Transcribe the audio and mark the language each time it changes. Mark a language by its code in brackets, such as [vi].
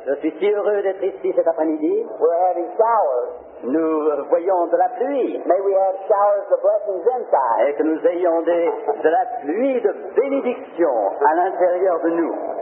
[fr] Je suis si heureux d'être ici cet après-midi. [en] We're having showers. [fr] Nous voyons de la pluie. [en] May we have showers of blessings inside. [fr] Et que nous ayons de la pluie de bénédiction à l'intérieur de nous.